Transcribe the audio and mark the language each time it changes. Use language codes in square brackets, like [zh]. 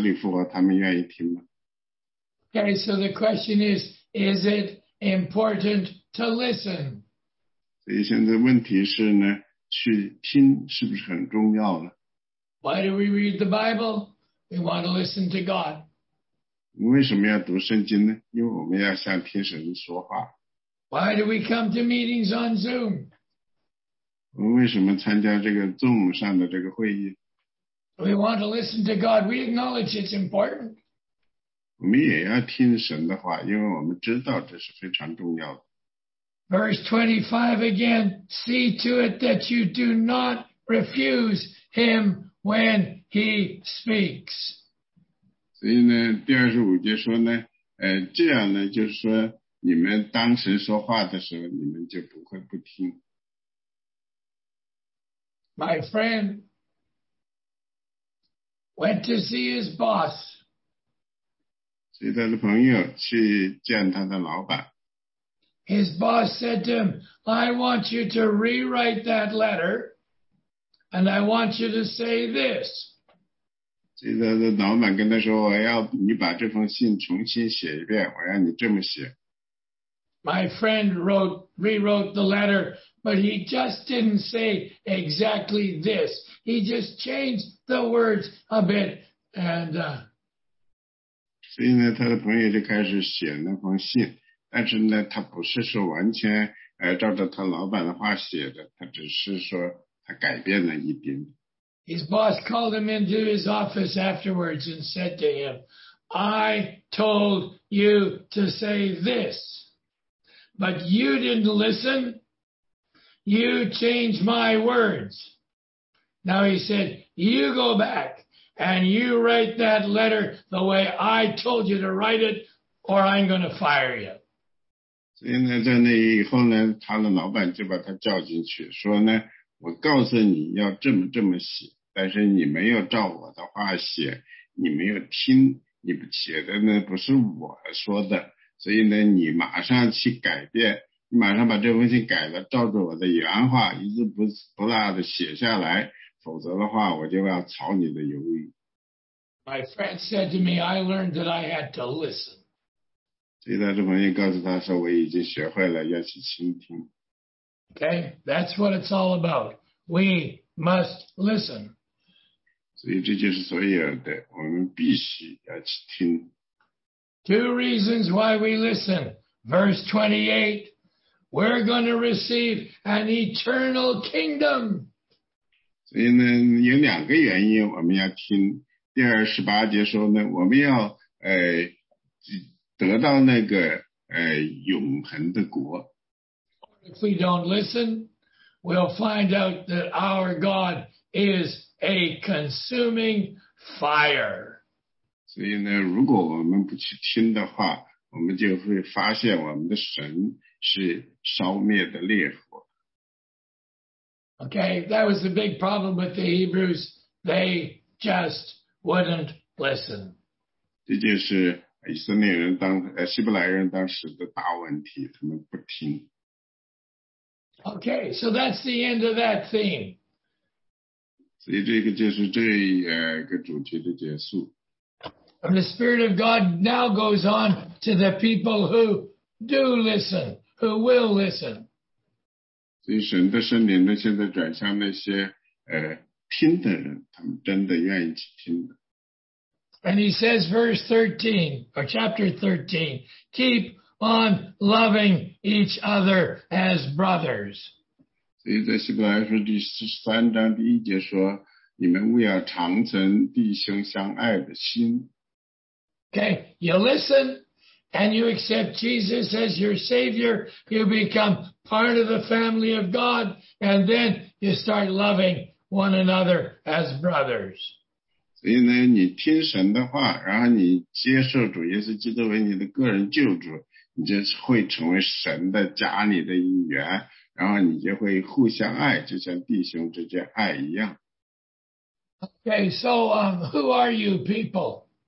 [zh] 所以呢，他亚伯拉罕说呢，他们都有圣经，他们都有先知，所以他们讲的话，圣经里讲话他们不听。就算一个人从死里复活，他们愿意听吗？Okay, [en] so the question is it important to listen? [zh] 所以现在问题是呢，去听是不是很重要呢？ [en] Why do we read the Bible? We want to listen to God. [zh] 为什么要读圣经呢? 因为我们要向天神说话。 [en] Why do we come to meetings on Zoom? [zh] 为什么参加这个Zoom上的这个会议? [en] We want to listen to God. We acknowledge it's important. [zh] 我们也要听神的话, 因为我们知道这是非常重要的。 [en] Verse 25 again, see to it that you do not refuse him when he speaks. [zh] 所以呢，第二十五节说呢，这样呢，就是说你们当神说话的时候，你们就不会不听。 [en] My friend went to see his boss. [zh] 所以他的朋友去见他的老板。 [en] His boss said to him, I want you to rewrite that letter, and I want you to say this. [zh] 所以他的老板跟他说，我要你把这封信重新写一遍，我要你这么写。 [en] My friend rewrote the letter, but he just didn't say exactly this. He just changed the words a bit. And, [zh] 所以呢，他的朋友就开始写那封信，但是呢，他不是说完全照着他老板的话写的，他只是说他改变了一点。 [en] His boss called him into his office afterwards and said to him, I told you to say this. But you didn't listen. You changed my words. Now he said, you go back and you write that letter the way I told you to write it, or I'm going to fire you. [zh] 所以呢，在那以后呢，他的老板就把他叫进去，说呢，我告诉你要这么这么写，但是你没有照我的话写，你没有听，你写的呢不是我说的。所以呢，你马上去改变，你马上把这封信改了，照着我的原话一字不落的写下来，否则的话我就要草你的鱿鱼。 [en] My friend said to me, I learned that I had to listen. [zh] 所以他的朋友告诉他说，我已经学会了要去倾听。 [en] Okay, that's what it's all about. We must listen. [zh] 所以这就是所有的，我们必须要去听。 [en] Two reasons why we listen. Verse 28, we're going to receive an eternal kingdom. [zh] 所以呢，有两个原因我们要听。第二十八节说呢，我们要得到那个永恒的国。 [en] If we don't listen, we'll find out that our God is a consuming fire. [zh] 所以呢，如果我们不去听的话，我们就会发现我们的神是烧灭的烈火。 [en] Okay, that was the big problem with the Hebrews. They just wouldn't listen. [zh] 这就是以色列人当希伯来人当时的大问题，他们不听。 [en] Okay, so that's the end of that theme. [zh] 所以这个就是这个主题的结束。 [en] And the Spirit of God now goes on to the people who do listen, who will listen. [zh] 所以神的圣灵呢，现在转向那些听的人，他们真的愿意去听的。 [en] And he says, verse 13, or chapter 13, keep on loving each other as brothers. [zh] 所以在希伯来书第十三章第一节说，你们务要常存弟兄相爱的心。 [en] Okay, you listen and you accept Jesus as your Savior, you become part of the family of God, and then you start loving one another as brothers. [zh] 所以呢，你听神的话，然后你接受主耶稣基督为你的个人救主，你就会成为神的家里的一员，然后你就会互相爱，就像弟兄之间爱一样。 [en] Okay, so who are you people?